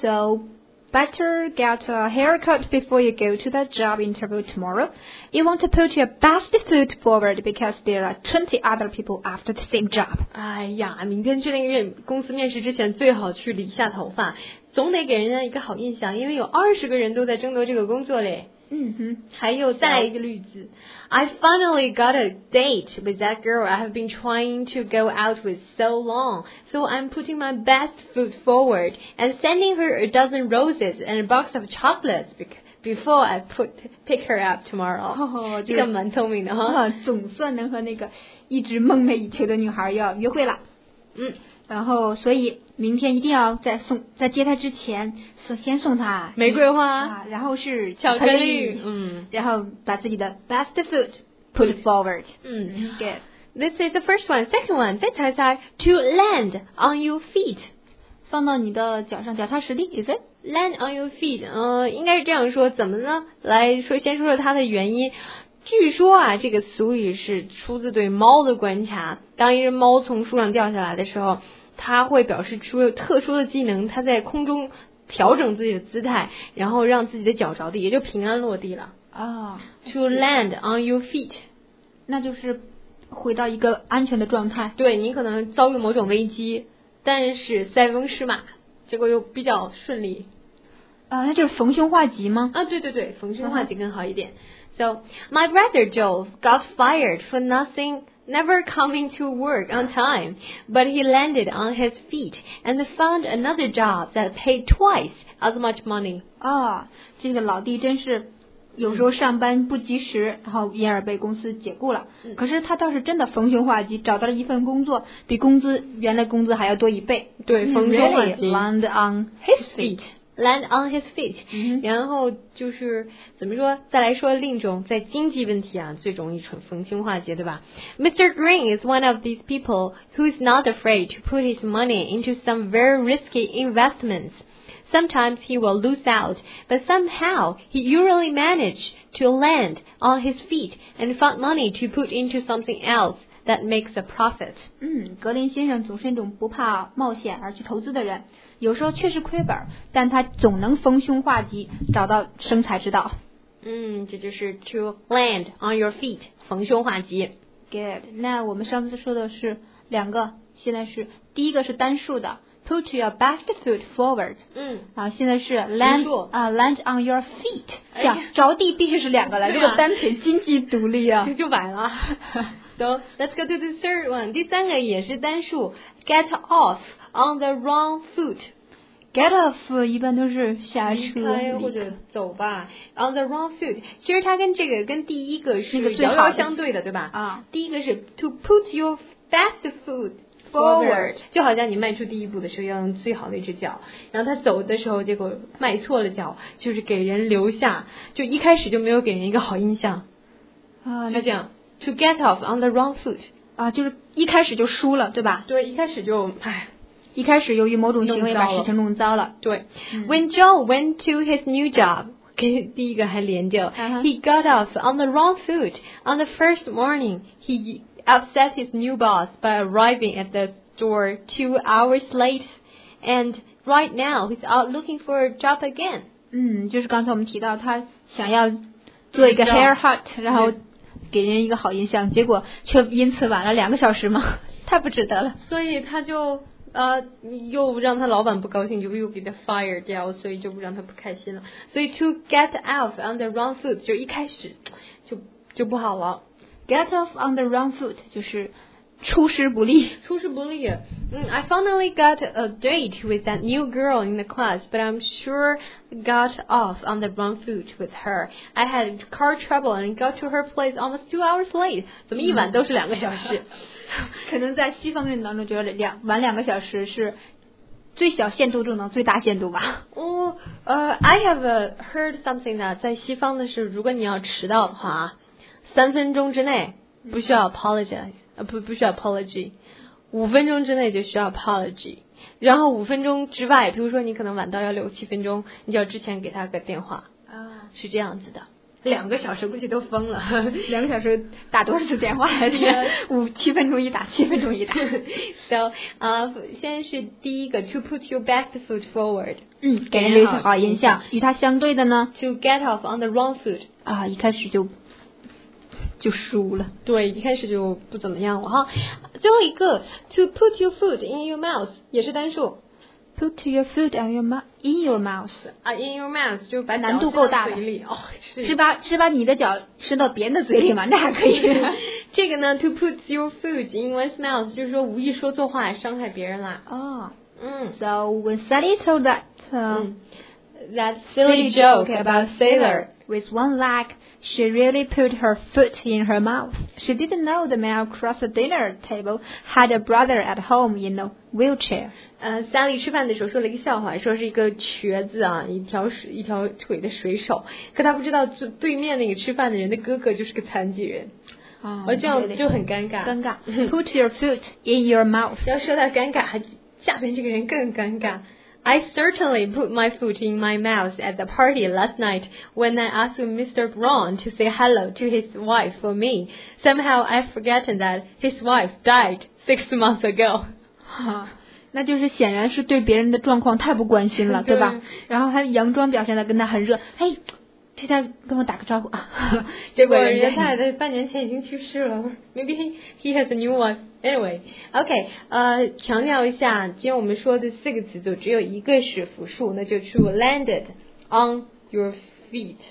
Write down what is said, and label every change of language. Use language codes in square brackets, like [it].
[en] SoBetter get a haircut before you go to that job interview tomorrow. You want to put your best foot forward because there are 20 other people after the same job. [zh] 哎呀，明天去那个公司面试之前最好去理下头发，总得给人家一个好印象，因为有20个人都在争夺这个工作嘞。嗯哼，还有再一个例子。 [en] I finally got a date with that girl I have been trying to go out with so long, so I'm putting my best foot forward and sending her a dozen roses and a box of chocolates before I pick her up tomorrow. [zh] 这个蛮聪明的哈，总算能和那个一直梦寐以求的女孩要约会了。然后所以明天一定要在接她之前先送她玫瑰花，然后是巧克力，然后把自己的 [en] best foot put forward。 Good. This is the first one. Second one， [zh] 再猜猜 [en] to land on your feet， [zh] 放到你的脚上，脚踏实地。 [en] Is it land on your feet？ [zh] 应该是这样说，怎么呢？来说，先说说它的原因。据说啊，这个俗语是出自对猫的观察。当一只猫从树上掉下来的时候，它会表示出特殊的技能，它在空中调整自己的姿态，然后让自己的脚着地，也就平安落地了。 [en] To land on your feet， [zh] 那就是回到一个安全的状态。对，你可能遭遇某种危机，但是塞翁失马，结果又比较顺利。那就是逢凶化吉吗？对对对，逢凶化吉更好一点。 [en] So, my brother Joe got fired for nothing, never coming to work on time, but he landed on his feet and found another job that paid twice as much money. [zh] 这个老弟真是有时候上班不及时，然后因而被公司解雇了。可是他倒是真的逢凶化吉，找到了一份工作，比工资原来工资还要多一倍。对，逢凶化吉。 [en] Really, landed on his feet. land on his feet、 mm-hmm. [zh] 然后就是怎么说再来说另一种在经济问题啊最容易逢凶化吉对吧 Mr. [en] Green is one of these people who's not afraid to put his money into some very risky investmentsSometimes he will lose out, but somehow he usually managed to land on his feet and find money to put into something else that makes a profit. [zh] 嗯，格林先生总是一种不怕冒险而去投资的人，有时候确实亏本，但他总能逢凶化吉，找到生财之道。嗯，这就是 [en] to land on your feet, [zh] 逢凶化吉。 [en] Good. [zh] 那我们上次说的是两个，现在是第一个是单数的。 [en] Put your best foot forward. 嗯， [zh] 啊，现在是 [en] land on your feet. [zh] 想着地必须是两个了，这个单腿经济独立啊，就完了。 [en] So let's go to the third one. [zh] 第三个也是单数 [en] ，get off on the wrong foot. [zh] Get off 一般都是下车离开或者走吧。 [en] On the wrong foot， [zh] 其实它跟这个跟第一个是遥遥相对的，对吧？啊，第一个是 [en] to put your best foot。 Forward， [zh] 就好像你迈出第一步的时候要用最好的一只脚，然后他走的时候结果迈错了脚，就是给人留下就一开始就没有给人一个好印象啊，就这样 [en] to get off on the wrong foot [zh] 啊，就是一开始就输了对吧？对，一开始就唉，一开始由于某种行为把事情弄糟了。 [en] 对、嗯、When Joe went to his new job， [zh] 跟第一个还连着、 uh-huh. [en] He got off on the wrong foot on the first morning heUpset his new boss by arriving at the store 2 hours late, and right now he's out looking for a job again. [zh] 嗯，就是刚才我们提到他想要做一个 haircut， 然后给人一个好印象，结果却因此晚了两个小时嘛，太不值得了。所以他就又让他老板不高兴，就又给他 fire 掉，所以就不让他不开心了。所以 [en] to get off on the wrong foot [zh] 就一开始就不好了。 [en] Get off on the wrong foot [zh] 就是出师不利。出师不利。 [en] I finally got a date with that new girl in the class, but I'm sure got off on the wrong foot with her. I had car trouble and got to her place almost 2 hours late. [zh] 怎么一晚都是两个小时？可能在西方人当中觉得晚两个小时是最小限度中的最大限度吧。 [en] I have heard something that [zh] 在西方的是如果你要迟到的话三分钟之内不需要 apologize， 不需要 apology， 五分钟之内就需要 apology， 然后五分钟之外，比如说你可能晚到要六七分钟，你就要之前给他个电话，啊，是这样子的。两个小时估计都疯了，两个小时打多少次电话？七分钟一打。 [en] So， [zh] 现在是第一个 [en] to put your best foot forward， [zh] 嗯，给人留下好印象。与他相对的呢 [en] ？To get off on the wrong foot， [zh] 啊，一开始就输了，对，一开始就不怎么样了哈。最后一个 [en] ，to put your foot in your mouth [zh] 也是单数 [en] ，put your foot in your mouth in your mouth 啊 ，in your mouth [zh] 就把难度够大的，哦，是把你的脚伸到别人的嘴里嘛，那还可以。这个呢 ， [en] to put your foot in one's mouth [zh] 就是说无意说错话伤害别人啦。哦，嗯 [en] ，so when Sally told that、 that silly joke about sailor with one leg。 She really put her foot in her mouth. She didn't know the man across the dinner table had a brother at home in a wheelchair. [zh] Sally 吃饭的时候说了一个笑话，说是一个瘸子啊，一条腿的水手。可他不知道对面那个吃饭的人的哥哥就是个残疾人。哦，这样就很尴尬。 [en] 尴尬。Put your foot in your mouth. [zh] 要说到尴尬，下面这个人更尴尬。 [en] I certainly put my foot in my mouth at the party last night when I asked Mr. Brown to say hello to his wife for me. Somehow I've forgotten that his wife died 6 months ago. [zh] 那就是显然是对别人的状况太不关心了，对吧？然后还佯装表现得跟他很热，嘿，替他跟我打个招呼啊。结果人家太太半年前已经去世了。 [en] Maybe he has a new one. Anyway, OK, [zh] 强调一下，今天我们说的四个词组只有一个是复数，那就是 [en] landed on your feet.